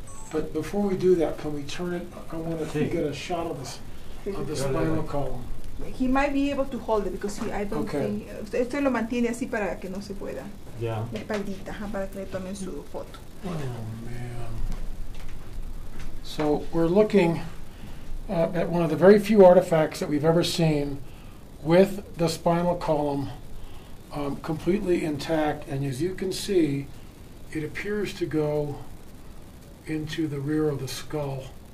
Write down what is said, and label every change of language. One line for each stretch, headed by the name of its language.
English: But before we do that, can we turn it? I want to get a shot of the spinal column. He might be able to hold it because I don't think.
Spanish: Usted lo mantiene así para que no se pueda.
English: Yeah.
Spanish: La espaldita, para que le tomen su foto.
English: Oh, man. So we're looking at one of the very few artifacts that we've ever seen with the spinal column completely intact. And as you can see, it appears to go into the rear of the skull.